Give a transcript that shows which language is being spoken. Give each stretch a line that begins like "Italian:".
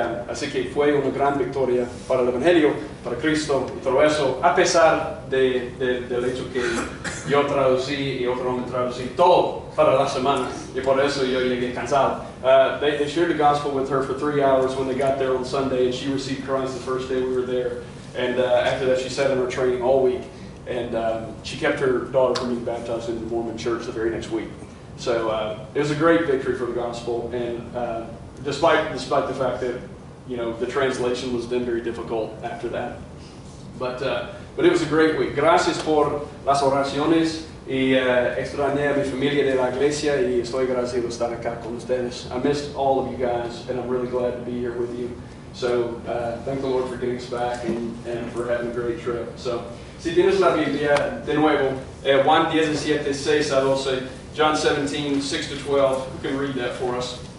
Spanish: Así que fue una gran victoria para el Evangelio, para Cristo y todo eso, a pesar del hecho que yo traducí y otro hombre traducí todo para la semana, y por eso yo llegué cansado.
English: They shared the gospel with her for 3 hours when they got there on Sunday, and she received Christ the first day we were there. And after that, she sat in her training all week. And she kept her daughter from being baptized in the Mormon church the very next week. So it was a great victory for the gospel. And despite the fact that, you know, the translation was then very difficult after that. But it was a great week.
Spanish: Gracias por las oraciones. Y extrañé a mi familia de la iglesia. Y estoy agradecido de estar acá con ustedes.
English: I missed all of you guys. And I'm really glad to be here with you. So thank the Lord for getting us back and for having a great trip. So.
Spanish: Si tienes la Biblia, de nuevo, Juan 17, 6 a 12,
English: John 17, 6 to 12, who can read that for us?